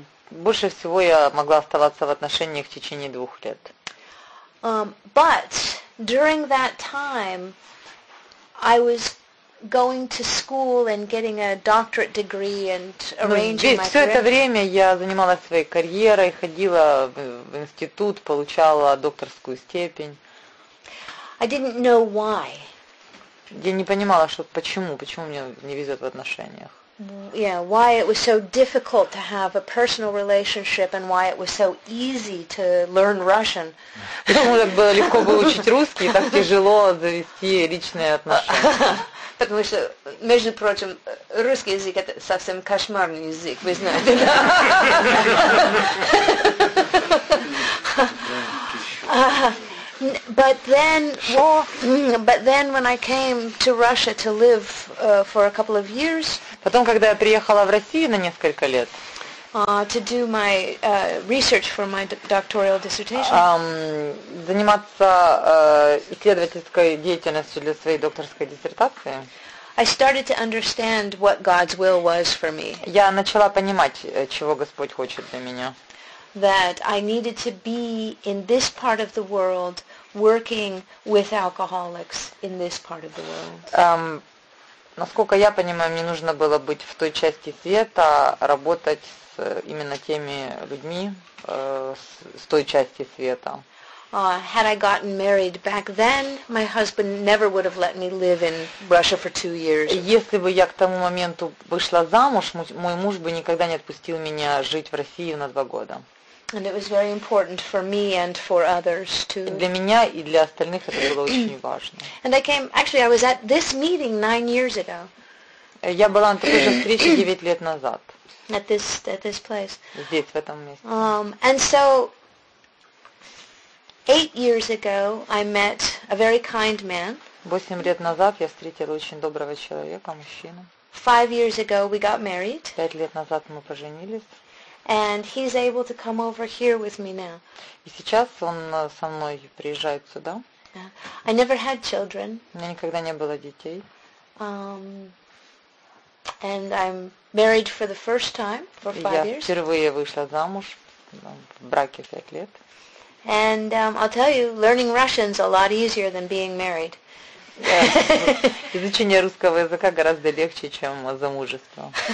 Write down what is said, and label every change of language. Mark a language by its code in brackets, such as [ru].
[ru] Больше всего я могла оставаться в отношениях в течение 2 лет. [en] But during that time, I was going to school and getting a doctorate degree and arranging my career. [ru] Все это время я занималась своей карьерой, ходила в институт, получала докторскую степень. [en] I didn't know why. [ru] Я не понимала, что почему мне не везет в отношениях. [en] Yeah, why it was so difficult to have a personal relationship and why it was so easy to learn Russian. [ru] Почему так было легко выучить русский, так тяжело завести личные отношения? Потому что, между прочим, русский язык это совсем кошмарный язык, вы знаете. [en] But then when I came to Russia to live for a couple of years. [ru] Потом, когда я приехала в Россию на несколько лет. [en] To do my research for my doctoral dissertation. [ru] Заниматься исследовательской деятельностью для своей докторской диссертации. [en] I started to understand what God's will was for me. [ru] Я начала понимать, чего Господь хочет для меня. [en] That I needed to be in this part of the world working with alcoholics in this part of the world. [ru] Насколько я понимаю, мне нужно было быть в той части света, работать с именно теми людьми с той части света. [en] Had I gotten married back then, my husband never would have let me live in Russia for 2 years. [ru] Если бы я к тому моменту вышла замуж, мой муж бы никогда не отпустил меня жить в России на 2 года. [en] And it was very important for me and for others to. [ru] Для меня и для остальных это было очень важно. [en] And I came. Actually, I was at this meeting 9 years ago. [ru] Я была на такой же встрече 9 лет назад. [en] At this place. [ru] Здесь, в этом месте. [en] And so, 8 years ago, I met a very kind man. [ru] 8 лет назад я встретила очень доброго человека, мужчину. [en] 5 years ago, we got married. [ru] 5 лет назад мы поженились. [en] And he's able to come over here with me now. [ru] И сейчас он со мной приезжает сюда. [en] I never had children. [ru] У меня никогда не было детей. [en] And I'm married for the first time for 5 years. [ru] Я впервые вышла замуж в браке 5 лет. [en] And I'll tell you, learning Russian is a lot easier than being married. [ru] Изучение русского языка гораздо легче, чем замужество.